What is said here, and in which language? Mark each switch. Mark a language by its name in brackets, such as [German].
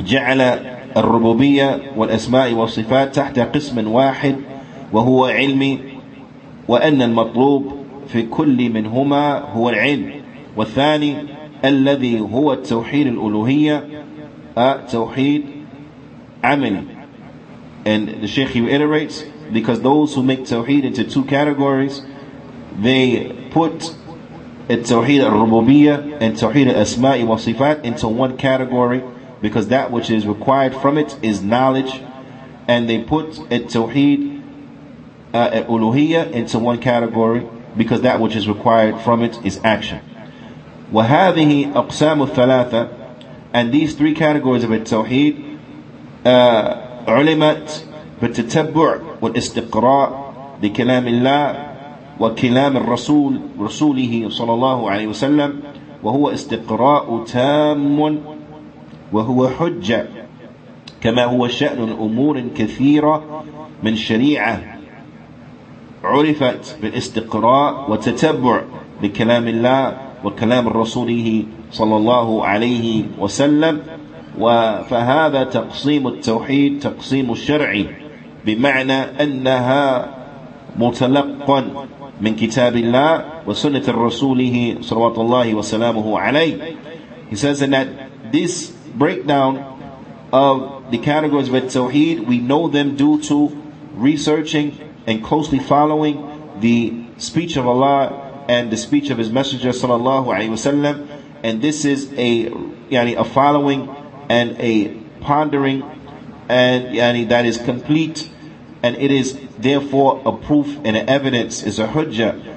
[Arabic] جعل الربوبية والأسماء والصفات تحت قسم واحد وهو علمي وأن المطلوب في كل منهما هو العلم والثاني الذي هو التوحيد الألوهية توحيد عملي. [English] And the Sheikh reiterates, because those who make tawheed into two categories, they put التوحيد الربوبية and توحيد الأسماء والصفات into one category, because that which is required from it is knowledge, and they put التوحيد الألوهية into one category, because that which is required from it is action. [Arabic] وهذه أقسام الثلاثة, [English] and these three categories of [Arabic] التوحيد علمت بالتتبع والاستقراء لكلام الله وكلام الرسول رسوله صلى الله عليه وسلم وهو استقراء تام وهو حجة كما هو شأن أمور كثيرة من شريعة عرفت بالاستقراء وتتبع لكلام الله وكلام رسوله صلى الله عليه وسلم وفهذا تقسيم التوحيد تقسيم الشرعي بمعنى أنها متلقا من كتاب الله وسنة رسوله صلى الله وسلامه عليه. [English] He says that this breakdown of the categories of التوحيد, we know them due to researching and closely following the speech of Allah and the speech of His Messenger [Arabic] صلى الله عليه وسلم, [English] and this is a following and a pondering, and that is complete, and it is therefore a proof and an evidence, is a hujjah.